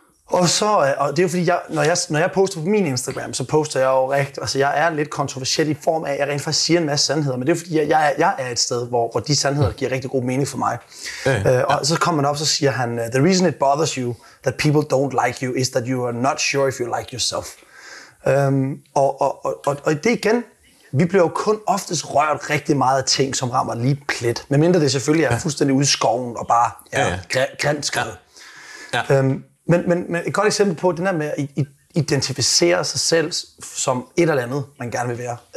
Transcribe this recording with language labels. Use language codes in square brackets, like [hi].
[da] Og det er jo fordi, når jeg poster på min Instagram, så poster jeg jo rigtigt. Altså, jeg er lidt kontroversiel i form af, at jeg rent faktisk siger en masse sandheder. Men det er fordi, jeg er et sted, hvor de sandheder giver rigtig god mening for mig. Og så kommer man op, så siger han, [en] the reason it bothers you that people don't like you is that you are not sure if you like yourself. [da] Og det igen, vi bliver jo kun oftest rørt rigtig meget af ting, som rammer lige plet. Medmindre det selvfølgelig er fuldstændig ude i skoven og bare grimt skrevet. Men et godt eksempel på den der med at identificere sig selv som et eller andet, man gerne vil være.